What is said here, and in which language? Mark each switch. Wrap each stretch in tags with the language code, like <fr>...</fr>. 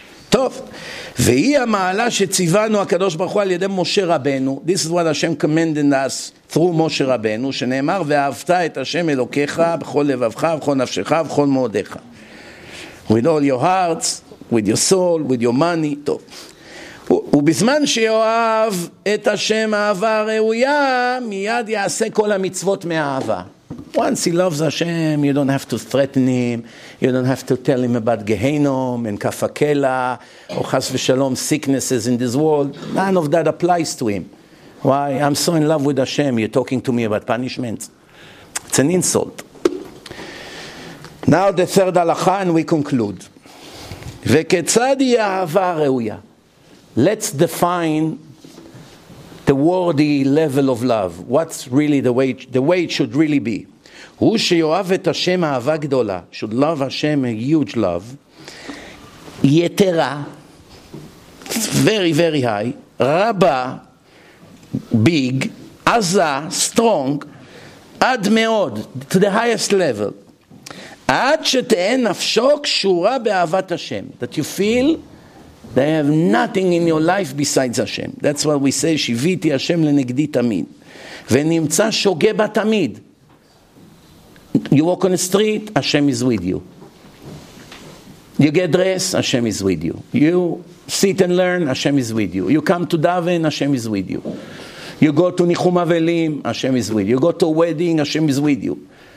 <he>טוב, והיא המעלה שציוונו הקדוש ברוך הוא על ידי משה רבנו.</he> <en>This is what Hashem commanded us through</en> <he>משה רבנו, שנאמר, ואהבת את השם אלוקיך בכל לבבך, בכל נפשך, בכל מאודיך.</he> <en>With all your hearts, with your soul, with your money.</en> <he>טוב. ובזמן שיואב את השם אהבה ראויה, מיד יעשה כל המצוות מאהבה.</he> <en>Once he loves Hashem, you don't have to threaten him. You don't have to tell him about Gehenom and Kafakela or Chas v'Shalom sicknesses in this world. None of that applies to him. Why? I'm so in love with Hashem. You're talking to me about punishments. It's an insult. Now the third halacha and we conclude.</en> <he>V'ketzad hi ahava reuya.</he> <en>Let's define the worthy level of love. What's really the way it should really be.</en> <he>הוא שיואב את השם אהבה גדולה,</he> <en>should love Hashem a huge love, יתרה, very very high, רבה, big, עזה, strong, עד מאוד, to the highest level,</en> <he>עד שתהיה נפשו קשורה באהבת השם,</he> <en>that you feel they have nothing in your life besides Hashem. That's what we say,</en> <he>שיוויתי השם לנגדי תמיד, ונמצא שוגה בה תמיד.</he> <en>You walk on the street, Hashem is with you. You get dressed, Hashem is with you. You sit and learn, Hashem is with you. You come to Daven, Hashem is with you. You go to Nichum Avelim, Hashem is with you. You go to a wedding, Hashem is with you.</en>